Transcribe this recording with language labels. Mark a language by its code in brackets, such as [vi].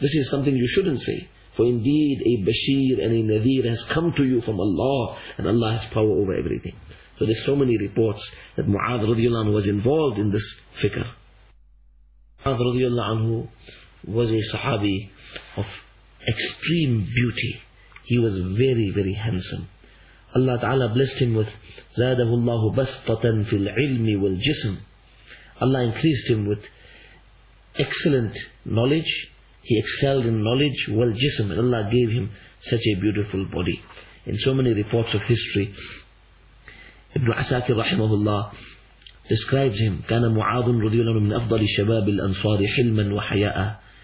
[en] This is something you shouldn't say. For indeed a Bashir and a Nadir has come to you from Allah, and Allah has power over everything. So there's so many reports that Mu'adh radiallahu anhu was involved in this fikr. Mu'adh radiallahu anhu was a Sahabi of extreme beauty. He was very, very handsome. Allah Ta'ala blessed him with [ar] زَادَهُ اللَّهُ بَسْطَةً فِي الْعِلْمِ وَالْجِسْمِ. [en] Allah increased him with excellent knowledge. He excelled in knowledge, وَالْجِسْمِ. And Allah gave him such a beautiful body. In so many reports of history, Ibn Asakir rahimahullah describes him, [ar] كَانَ مُعَاذٌ رَضِيَ اللَّهُ مِنْ أَفْضَلِ شَبَابِ الْأَنصَارِ حِلْمًا وَحَيَاءً.